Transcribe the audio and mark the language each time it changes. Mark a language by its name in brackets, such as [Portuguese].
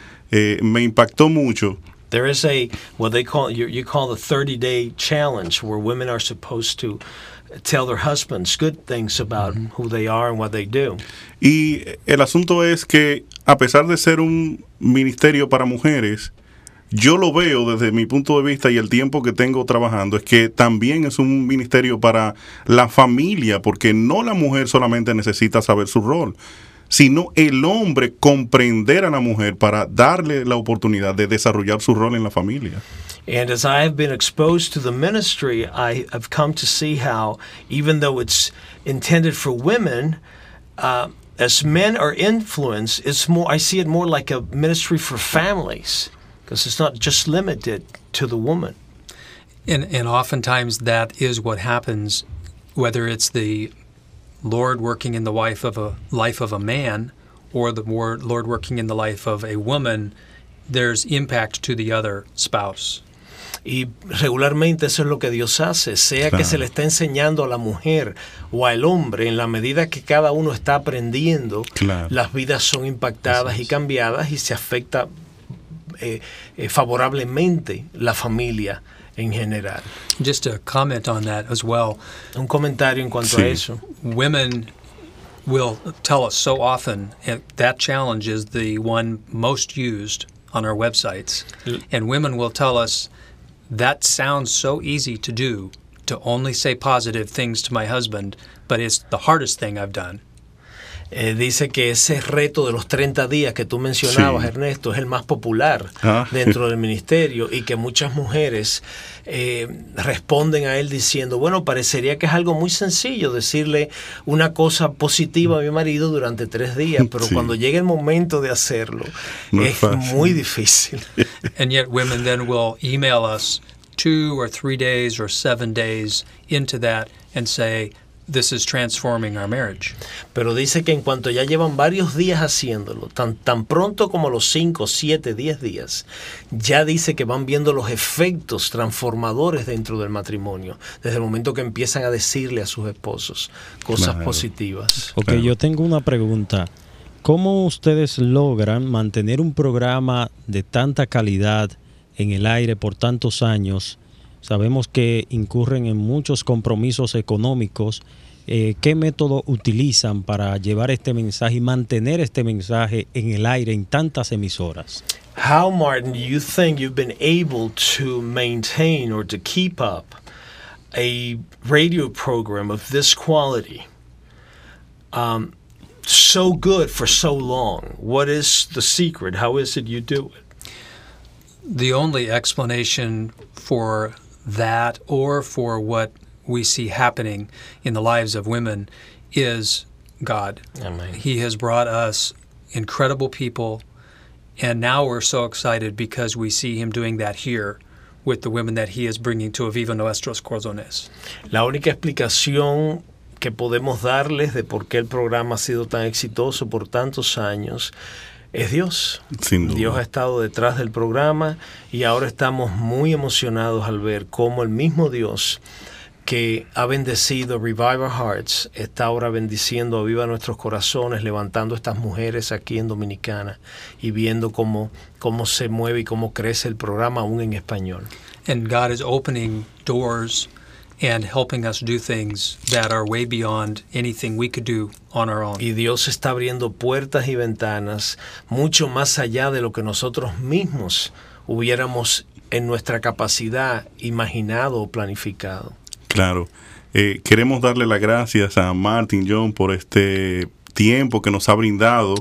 [Spanish] Me impactó mucho. [English] There is a what they call you call the 30-day challenge, where women are supposed to tell their husbands good things about who they are and what they do. [Spanish] Y el asunto es que, a pesar de ser un ministerio para mujeres, yo lo veo desde mi punto de vista y el tiempo que tengo trabajando, es que también es un ministerio para la familia, porque no la mujer solamente necesita saber su rol, sino el hombre comprender a la mujer para darle la oportunidad de desarrollar su rol en la familia. [English] And as I have been exposed to the ministry, I have come to see how, even though it's intended for women, as men are influenced, I see it more like a ministry for families, because it's not just limited to the woman. And oftentimes that is what happens, whether it's the Lord working in the life of a man, or the Lord working in the life of a woman, there's impact to the other spouse. Y regularmente eso es lo que Dios hace, sea que se le está enseñando a la mujer o al hombre, en la medida que cada uno está aprendiendo, las vidas son impactadas y cambiadas, y se afecta favorablemente la familia en general. [Spanish] Just a comment on that as well. Un comentario en cuanto a eso. [English] Women will tell us so often, and that challenge is the one most used on our websites, and women will tell us, that sounds so easy to do, to only say positive things to my husband, but it's the hardest thing I've done. [Spanish] Dice que ese reto de los 30 días que tú mencionabas, Ernesto, es el más popular dentro del ministerio, y que muchas mujeres responden a él diciendo, bueno, parecería que es algo muy sencillo decirle una cosa positiva a mi marido durante 3 días, pero cuando llega el momento de hacerlo, no es fácil. Muy difícil. [English] And yet women then will email us 2 or 3 days or 7 days into that and say, this is transforming our marriage. [Spanish] Pero dice que en cuanto ya llevan varios días haciéndolo, tan pronto como los 5, 7, 10 días, ya dice que van viendo los efectos transformadores dentro del matrimonio, desde el momento que empiezan a decirle a sus esposos cosas positivas. Okay, yo tengo una pregunta. ¿Cómo ustedes logran mantener un programa de tanta calidad en el aire por tantos años? Sabemos que incurren en muchos compromisos económicos. ¿Qué método utilizan para llevar este mensaje y mantener este mensaje en el aire en tantas emisoras? [English] How, Martin, do you think you've been able to maintain or to keep up a radio program of this quality, so good for so long? What is the secret? How is it you do it? The only explanation for that, or for what we see happening in the lives of women, is God. Amen. He has brought us incredible people, and now we're so excited because we see him doing that here with the women that he is bringing to Aviva Nuestros Corazones. [Spanish] La única explicación que podemos darles de por qué el programa ha sido tan exitoso por tantos años es Dios. Sin duda. Dios ha estado detrás del programa, y ahora estamos muy emocionados al ver cómo el mismo Dios que ha bendecido Revive Our Hearts está ahora bendiciendo Aviva Nuestros Corazones, levantando estas mujeres aquí en Dominicana y viendo cómo se mueve y cómo crece el programa aún en español. [English] And God is opening doors and helping us do things that are way beyond anything we could do on our own. [Spanish] Y Dios está abriendo puertas y ventanas mucho más allá de lo que nosotros mismos hubiéramos en nuestra capacidad imaginado o planificado. Claro. Queremos darle las gracias a Martin John por este tiempo que nos ha brindado.